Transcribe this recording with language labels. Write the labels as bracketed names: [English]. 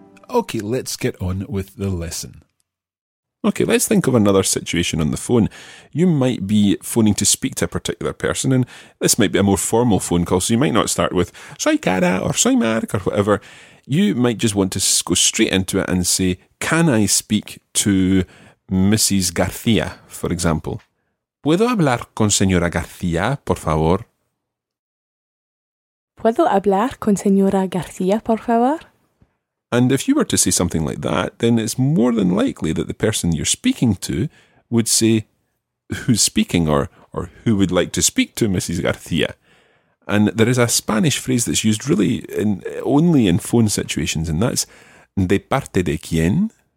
[English] Okay, let's get on with the lesson. Okay, let's think of another situation on the phone. You might be phoning to speak to a particular person, and this might be a more formal phone call, so you might not start with [Spanish] Soy Cara [English] or [Spanish] Soy Mark [English] or whatever. You might just want to go straight into it and say, can I speak to Mrs. García, for example. [Spanish] ¿Puedo hablar con señora García, por favor? ¿Puedo hablar con señora García, por favor? [English] And if you were to say something like that, then it's more than likely that the person you're speaking to would say, who's speaking, or who would like to speak to Mrs. García? And there is a Spanish phrase that's used really only in phone situations, and that's, [Spanish] ¿de parte de quién?